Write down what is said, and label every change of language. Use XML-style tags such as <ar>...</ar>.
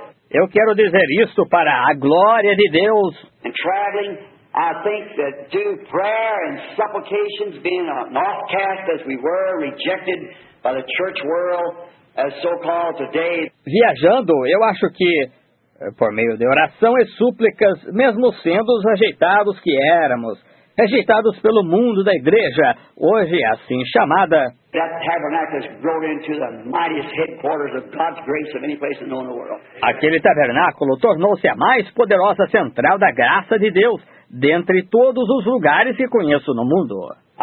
<pt>Eu quero dizer isto para a glória de Deus.</pt> <en>I think that through prayer and supplications, being an outcast as we were, rejected by the church world, as so-called today.</en> <pt>Viajando, eu acho que, por meio de oração e súplicas, mesmo sendo os rejeitados que éramos, rejeitados pelo mundo da igreja, hoje assim chamada,</pt> <en>that tabernacle has grown into the mightiest headquarters of God's grace of any place known in the world.</en> <pt>Aquele tabernáculo tornou-se a mais poderosa central da graça de Deus dentre todos os lugares que conheço no mundo.</pt>